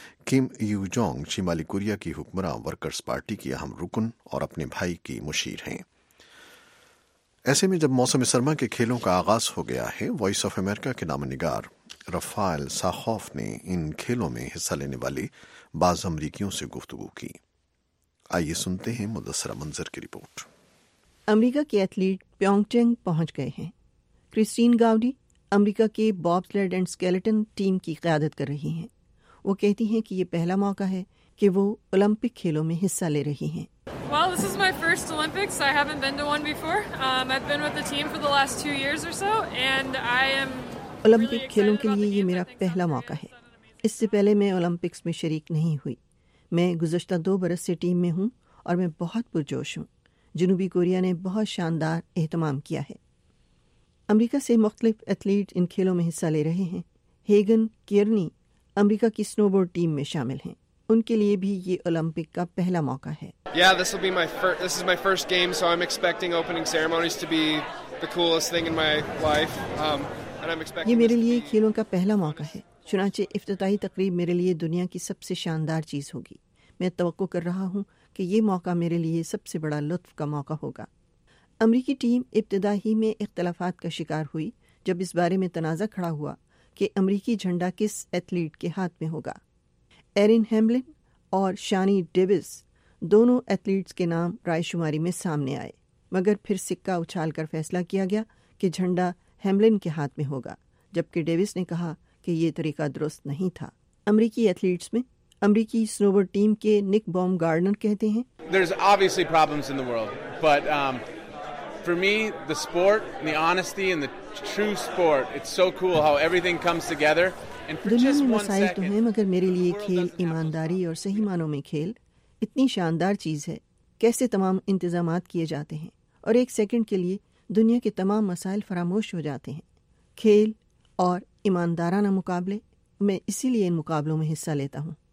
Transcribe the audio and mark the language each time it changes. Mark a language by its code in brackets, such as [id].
[ur] Come you Jong شمالی Korea کی حکمراں ورکرز پارٹی کی اہم رکن اور اپنے بھائی کی مشیر ہیں۔ ایسے میں جب موسم سرما کے کھیلوں کا آغاز ہو گیا ہے، وائس آف امریکہ کے نامہ نگار رفائل ساخوف نے ان کھیلوں میں حصہ لینے والے بعض امریکیوں سے گفتگو کی۔ آئیے سنتے ہیں مدثرہ منظر کی رپورٹ۔ امریکہ کے ایتھلیٹ پیونگ چینگ پہنچ گئے ہیں۔ کرسٹین گاؤڈی امریکہ کے باب سلیڈ اینڈ اسکیلٹن ٹیم کی قیادت کر رہی ہیں۔ وہ کہتی ہیں کہ یہ پہلا موقع ہے کہ وہ اولمپک کھیلوں میں حصہ لے رہی ہیں۔ [en] Well, this is my first Olympics. I haven't been to one before. I've been with the team for the last 2 years or so, and I am [ur] Olympic کھیلوں کے لیے یہ میرا پہلا موقع ہے۔ اس سے پہلے میں اولمپکس میں شریک نہیں ہوئی۔ میں گزشتہ 2 برس سے ٹیم میں ہوں اور میں بہت پرجوش ہوں۔ جنوبی کوریا نے بہت شاندار اہتمام کیا ہے۔ امریکہ سے مختلف ایتھلیٹ ان کھیلوں میں حصہ لے رہے ہیں۔ ہیگن کیئرنی امریکہ کی سنو بورڈ ٹیم میں شامل ہیں۔ ان کے لیے بھی یہ اولمپک کا پہلا موقع ہے۔ [en] Yeah, this will be my first, this is my first game, so I'm expecting opening ceremonies to be the coolest thing in my life. [ur] یہ میرے لیے کھیلوں کا پہلا موقع ہے، چنانچہ افتتاحی تقریب میرے لیے دنیا کی سب سے شاندار چیز ہوگی۔ میں توقع کر رہا ہوں کہ یہ موقع میرے لیے سب سے بڑا لطف کا موقع ہوگا۔ امریکی ٹیم ابتدا ہی میں اختلافات کا شکار ہوئی جب اس بارے میں تنازع کھڑا ہوا کہ امریکی جھنڈا کس ایتھلیٹ کے ہاتھ میں ہوگا. ایرن ہیملن اور شانی ڈیوس دونوں ایتھلیٹس کے نام رائے شماری میں سامنے آئے، مگر پھر سکہ اچھال کر فیصلہ کیا گیا کہ جھنڈا ہیملن کے ہاتھ میں ہوگا، جبکہ ڈیوس نے کہا کہ یہ طریقہ درست نہیں تھا. امریکی ایتھلیٹس میں امریکی سنوبر ٹیم کے نک بوم گارڈنر کہتے ہیں، [en] There's obviously problems in the world, but for me, the sport, the honesty and the true sport, it's so cool how everything comes together. [ur] دنیا میں مسائل تو ہیں، مگر میرے لیے کھیل ایمانداری اور صحیح معنوں میں کھیل اتنی شاندار چیز ہے. کیسے تمام انتظامات کیے جاتے ہیں اور ایک سیکنڈ کے لیے دنیا کے تمام مسائل فراموش ہو جاتے ہیں. کھیل اور ایماندارانہ مقابلے، میں اسی لیے ان مقابلوں میں حصہ لیتا ہوں.